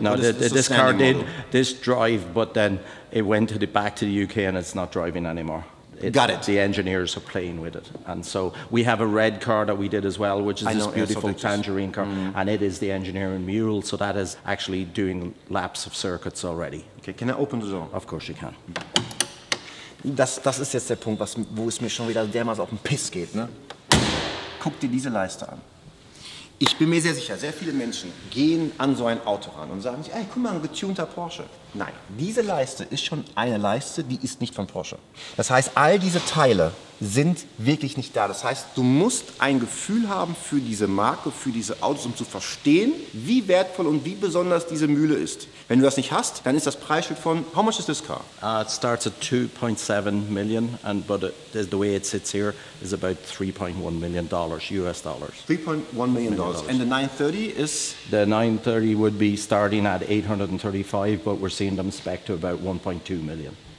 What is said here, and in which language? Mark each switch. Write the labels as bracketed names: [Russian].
[English] No, this car did this drive, but then it went to back to the UK and it's not driving anymore. Got it. The engineers are playing with it. And so we have a red car that we did as well, which is this beautiful tangerine car. Mm. And it is the engineering mule. So that is actually doing laps of circuits already. Okay, can I open the door? Of course you can. [German] Das ist jetzt der Punkt, wo es mir schon wieder dermaßen auf den Piss geht. Ne? Guck dir diese Leiste an. Ich bin mir sehr sicher, sehr viele Menschen gehen an so ein Auto ran und sagen sich, ey, guck mal, ein getunter Porsche. Nein, diese Leiste ist schon eine Leiste, die ist nicht von Porsche. Das heißt, all diese Teile sind wirklich nicht da. Das heißt, du musst ein Gefühl haben für diese Marke, für diese Autos, um zu verstehen, wie wertvoll und wie besonders diese Mühle ist. Wenn du das nicht hast, dann ist das Preisschild von, [English] how much is this car? It starts at 2.7 million, and but the way it sits here is about $3.1 million, US dollars. $3.1 million. And the 930 is? The 930 would be starting at 835, but we're seeing them spec to about 1.2 million.